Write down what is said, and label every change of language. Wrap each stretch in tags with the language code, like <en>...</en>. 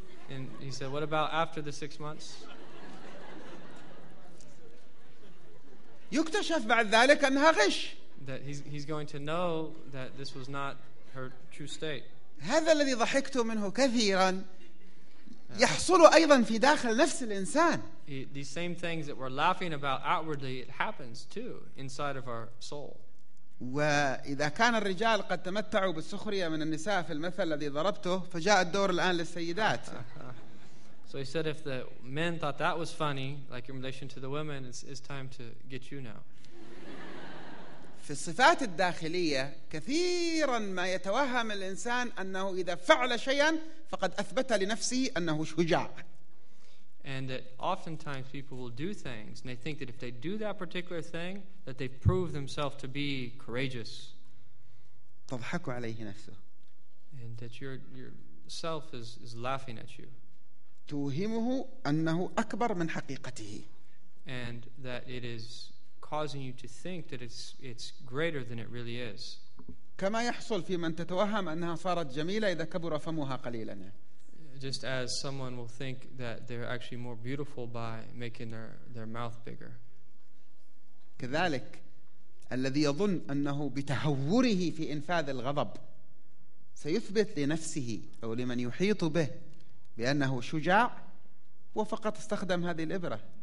<en>And he said, what about after the 6 months?</en> <ar>يكتشف بعد ذلك أنها غش.</ar> <en>That he's going to know that this was not her true state.</en> <ar>هذا الذي ضحكت منه كثيرا يحصل أيضا في داخل نفس الإنسان.</ar> <en>These same things that we're laughing about outwardly, it happens too inside of our soul.</en> <ar>وإذا كان الرجال قد تمتعوا بالسخرية من النساء في المثل الذي ضربته فجاء الدور الآن للسيدات.</ar> <en>So he said, if the men thought that was funny, like in relation to the women, it's time to get you now.</en> <ar>في الصفات الداخلية كثيرا ما يتوهم الإنسان أنه إذا فعل شيئا فقد أثبت لنفسه أنه شجاع.</ar> <en>And that oftentimes people will do things and they think that if they do that particular thing that they prove themselves to be courageous.</en> <ar>تضحك عليه نفسه.</ar> <en>And that your self is laughing at you.</en> <ar>توهمه أنه أكبر من حقيقته.</ar> <en>And that it is causing you to think that it's greater than it really is.</en> <ar>كما يحصل في من تتوهم أنها صارت جميلة إذا كبر فمها قليلا.</ar> <en>Just as someone will think that they're actually more beautiful by making their mouth bigger.</en> <ar>كذلك الذي يظن أنه بتهوره في إنفاذ الغضب سيثبت لنفسه أو لمن يحيط به بأنه شجاع وفقط استخدم هذه الإبرة.</ar>